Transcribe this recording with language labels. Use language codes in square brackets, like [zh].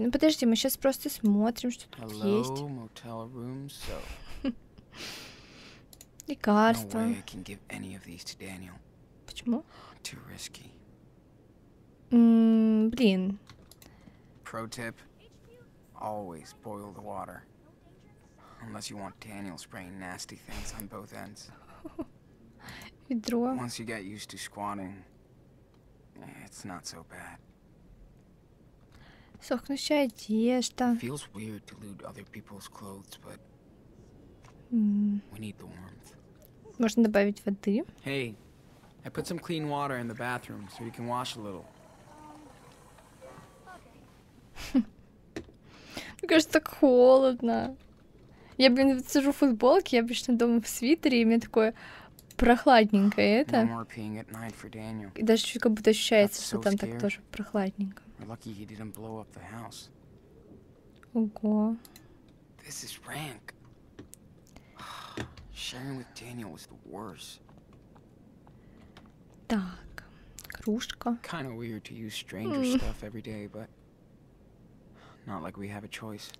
[ru] Ну подожди, мы сейчас просто смотрим, что тут [en] Hello, [ru] есть. [en] Motel room, so... [ru] Лекарства. [en] No way I can give any of these to Daniel. [ru] Почему? [en] Too risky. [ru] Блин. [en] Pro tip. Always boil the water. Unless you want Daniel spraying nasty things on both ends. [ru] Ведро. [en] Once you get used to squatting, it's not so bad. [ru] Сохнущая одежда. [en] Feels weird to loot other people's clothes, but we need the warmth. [ru] Можно добавить воды. [en] Hey, I put some clean water in the bathroom, so you can wash a little. [ru] Мне кажется, так холодно. Я, блин, сижу в футболке, я обычно дома в свитере, и мне такое прохладненько это. [en] No [ru] и даже чуть как будто ощущается, что там так тоже прохладненько. [en] We're lucky he didn't blow up the house. [ru] Ого. [en] This is rank. Sharing with Daniel was the worst. [ru] Так, кружка. [en] Kind of weird to use stranger stuff every day, but not like we have a choice.